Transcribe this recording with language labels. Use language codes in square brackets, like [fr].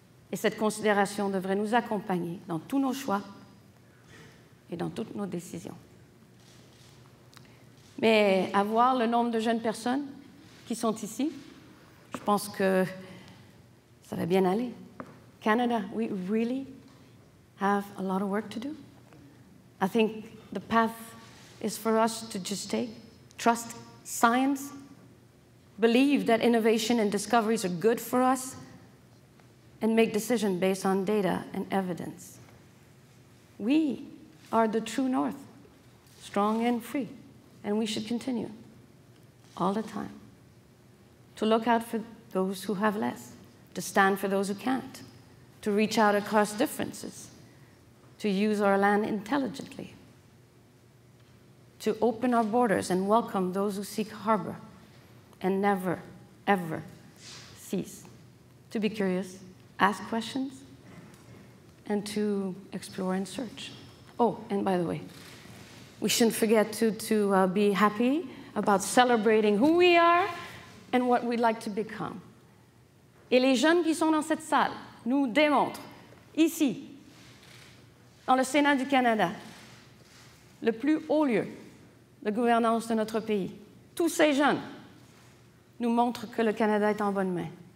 [fr] Et cette considération devrait nous accompagner dans tous nos choix et dans toutes nos décisions. Mais à voir le nombre de jeunes personnes qui sont ici, je pense que ça va bien aller. [en] Canada, we really have a lot of work to do. I think the path is for us to just take, trust science, believe that innovation and discoveries are good for us, and make decisions based on data and evidence. We are the true North, strong and free. And we should continue, all the time, to look out for those who have less, to stand for those who can't, to reach out across differences, to use our land intelligently, to open our borders and welcome those who seek harbor, and never, ever cease to be curious, ask questions, and to explore and search. Oh, and by the way, we shouldn't forget to be happy about celebrating who we are and what we'd like to become. [fr] Et les jeunes qui sont dans cette salle nous démontrent, ici, dans le Sénat du Canada, le plus haut lieu de gouvernance de notre pays. Tous ces jeunes nous montrent que le Canada est en bonne main.